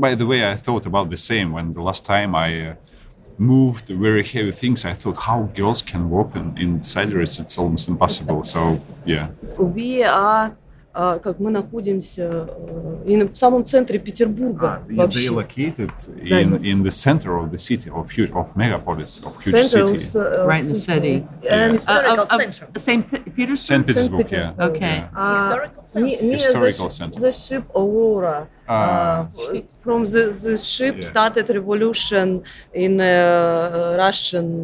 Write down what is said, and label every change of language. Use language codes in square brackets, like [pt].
[en] By the way, I thought about the same when the last time I moved very heavy things. I thought how girls can work in cideries. It's almost impossible. So yeah. We are. [ru] Как мы находимся в самом центре Петербурга вообще. [en] They located in the center of the city, of megapolis, of huge center city. Right in the city. Historical center. St. Petersburg? St. Petersburg, yeah. Okay. Historical center. The ship Aurora. From the ship started revolution in Russian.